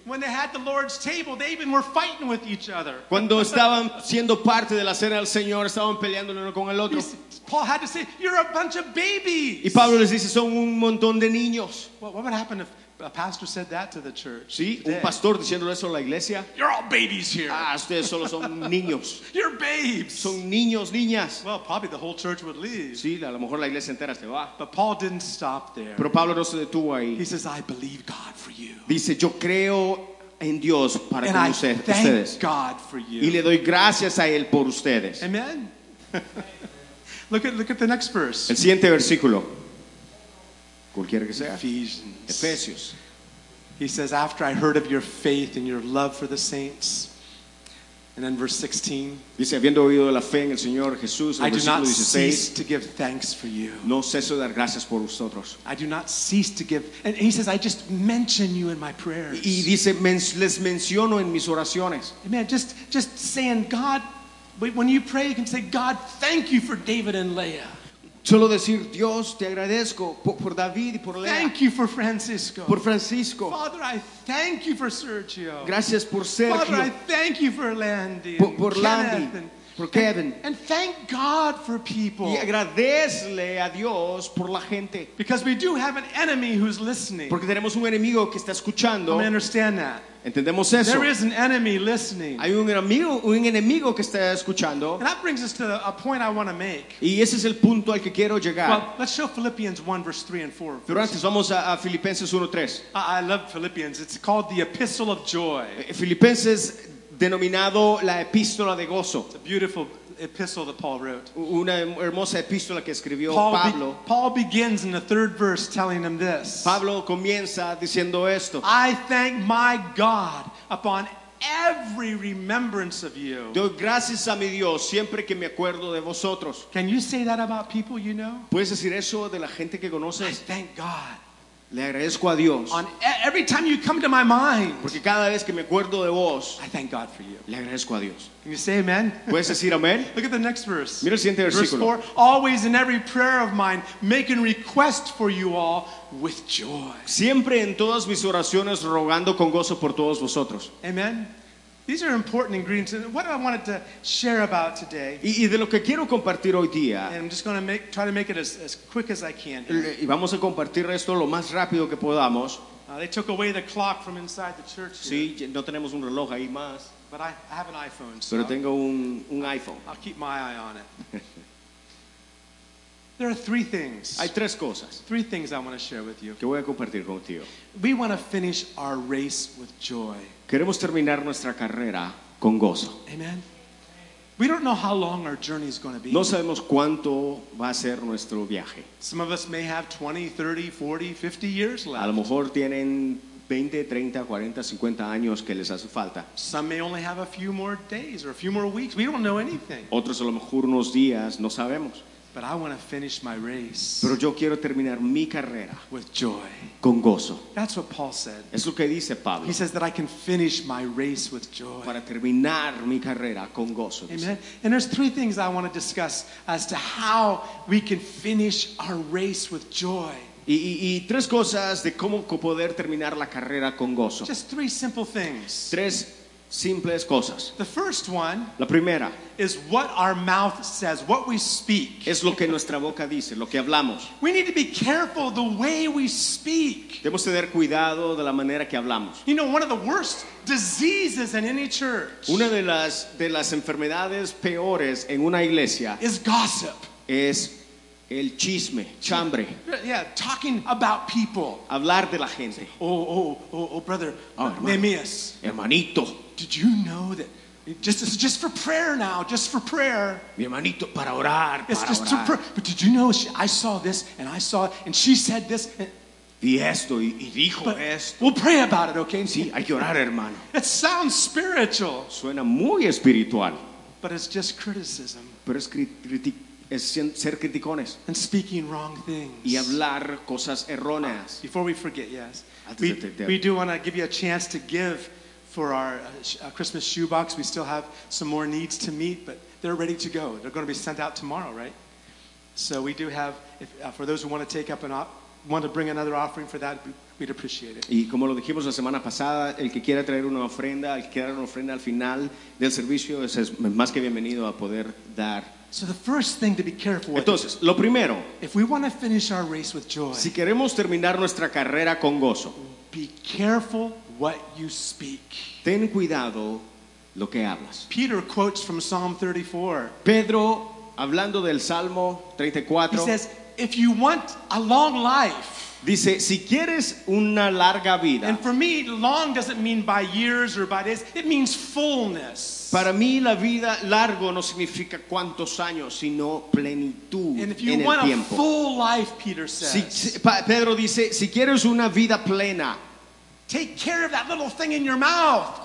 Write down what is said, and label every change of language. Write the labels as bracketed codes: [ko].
[en] When they had the Lord's table, they even were fighting with each other. [es] Cuando estaban siendo parte de la cena del Señor, estaban peleando el uno con el otro. [en] Paul had to say, "You're a bunch of babies." [es] Y Pablo les dice, "Son un montón de niños." [en] Well, what would happen if a pastor said that to the church? [es] Sí, [en] today? [es] Un pastor diciéndole eso a la iglesia. [en] You're all babies here. [es] Ah, ustedes solo son niños. [en] You're babes. [es] Son niños, niñas. [en] Well, probably the whole church would leave. [es] Sí, a lo mejor la iglesia entera se va. [en] But Paul didn't stop there. [es] Pero Pablo no se detuvo ahí. [en] He says, "I believe God for you." [es] Dice, "Yo creo en Dios para [en] and [es] con [en] I [es] usted, [en] thank [es] ustedes." [en] God for you. [es] Y le doy gracias a él por ustedes. [en] Amen. Look at the next verse. [es] El siguiente versículo. Cualquiera que sea. [en] Ephesians. [es] Efesios. [en] He says, after I heard of your faith and your love for the saints. And then verse 16. [es] Dice, habiendo oído la fe en el Señor Jesús, [en] I do not [es] 16, [en] cease to give thanks for you. [es] No ceso de dar gracias por vosotros. [en] I do not cease to give. And he says, I just mention you in my prayers. [es] Y dice, les menciono en mis oraciones. [en] Amen. Just saying, God, when you pray, you can say, God, thank you for David and Leah. [es] Solo decir, Dios, te agradezco por David y por Lea. [en] Thank you for Francisco. [es] Por Francisco. [en] Father, I thank you for Sergio. [es] Gracias por Sergio. [en] Father, I thank you for Landy. [es] Por Landy. Por Kevin. [en] And thank God for people. [es] Y agradezle a Dios por la gente. [en] Because we do have an enemy who's listening. [es] Porque tenemos un enemigo que está escuchando. [en] I understand that. [es] Entendemos eso. [en] There is an enemy listening. [es] Hay un enemigo que está escuchando. [en] And that brings us to a point I want to make. [es] Y ese es el punto al que quiero llegar. [en] Well, let's show Philippians 1 verse 3 and 4. [es] Pero antes vamos a Filipenses 1:3. [en] I love Philippians. It's called the Epistle of Joy. [es] Filipenses denominado la epístola de gozo. [en] It's a beautiful epistle that Paul wrote. [es] Una hermosa epístola que escribió [en] Paul [es] Pablo. [en] Paul begins in the third verse telling him this. [es] Pablo comienza diciendo esto. [en] I thank my God upon every remembrance of you. [es] Doy gracias a mi Dios siempre que me acuerdo de vosotros. [en] Can you say that about people you know? [es] ¿Puedes decir eso de la gente que conoces? [en] I thank God. [es] Le agradezco a Dios. [en] On every time you come to my mind. [es] Porque cada vez que me acuerdo de vos. [en] I thank God for you. [es] Le agradezco a Dios. [en] Can you say amen? [es] ¿Puedes decir amén? [en] Look at the next verse. [es] Mira el siguiente [en] verse [es] versículo. [en] Verse 4. Always in every prayer of mine, making request for you all with joy. [es] Siempre en todas mis oraciones rogando con gozo por todos vosotros. [en] Amen. These are important ingredients. And what I wanted to share about today. [es] Y de lo que quiero compartir hoy día. [en] And I'm just going to try to make it as quick as I can. [es] Y vamos a compartir esto lo más rápido que podamos. [en] They took away the clock from inside the church. [es] Sí, no tenemos un reloj ahí más. [en] But I have an iPhone. [es] Pero tengo un iPhone. [en] I'll keep my eye on it. There are three things. [es] Hay tres cosas. [en] Three things I want to share with you. [es] Que voy a compartir contigo. [en] We want to finish our race with joy. [es] Queremos terminar nuestra carrera con gozo. [en] Amen. We don't know how long our journey is going to be. [es] No sabemos cuánto va a ser nuestro viaje. [en] Some of us may have 20, 30, 40, 50 years left. [es] A lo mejor tienen 20, 30, 40, 50 años que les hace falta. [en] Some may only have a few more days or a few more weeks. We don't know anything. [es] Otros a lo mejor unos días, no sabemos. [en] But I want to finish my race. [es] Pero yo quiero terminar mi carrera. [en] With joy. [es] Con gozo. [en] That's what Paul said. [es] Es lo que dice Pablo. [en] He says that I can finish my race with joy. [es] Para terminar mi carrera con gozo. [en] Amen. And there's three things I want to discuss as to how we can finish our race with joy. [es] Y tres cosas de cómo poder terminar la carrera con gozo. [en] Just three simple things. [es] Tres simples cosas. [en] The first one, [es] la primera, [en] is what our mouth says, what we speak. [es] Es lo que nuestra boca dice, lo que hablamos. [en] We need to be careful the way we speak. [es] Debemos tener cuidado de la manera que hablamos. [en] You know, one of the worst diseases in any church. [es] Una de las enfermedades peores en una iglesia [en] is gossip. [es] Es el chisme, chambre. [en] Yeah, talking about people. [es] Hablar de la gente. [en] Oh, brother, Nehemias. [es] Hermanito. [en] Did you know that? Just for prayer now, just for prayer. [es] Mi hermanito, para orar, [en] it's [es] para [en] just [es] orar. [en] To pray. But did you know, I saw this, and I saw it, and she said this. [es] Vi esto, y dijo [en] but [es] esto. [en] We'll pray about it, okay? [es] Sí, hay que orar, hermano. [en] It sounds spiritual. [es] Suena muy espiritual. [en] But it's just criticism. [es] Pero es crítica. Es ser criticones. [en] And speaking wrong things. [es] Y hablar cosas erróneas. [en] Before we forget, yes. We do want to give you a chance to give for our Christmas shoebox. We still have some more needs to meet, but they're ready to go. They're going to be sent out tomorrow, right? So we do have, for those who want to take up an want to bring another offering for that, we'd appreciate it. [es] Y como lo dijimos la semana pasada, el que quiera traer una ofrenda, el que quiera una ofrenda al final del servicio, es más que bienvenido a poder dar. [en] So the first thing to be careful with. [es] Entonces, lo primero, [en] if we want to finish our race with joy, [es] si queremos terminar nuestra carrera con gozo, [en] be careful what you speak. [es] Ten cuidado lo que hablas. [en] Peter quotes from Psalm 34. [es] Pedro, hablando del Salmo 34, [en] he says, if you want a long life, [es] dice, si quieres una larga vida. [en] And for me, long doesn't mean by years or by days. It means fullness. [es] Para mí, la vida largo no significa cuántos años, sino plenitud en el tiempo. [en] And if you want a full life, Peter says. [es] Pedro dice, si quieres una vida plena. [en] Take care of that little thing in your mouth.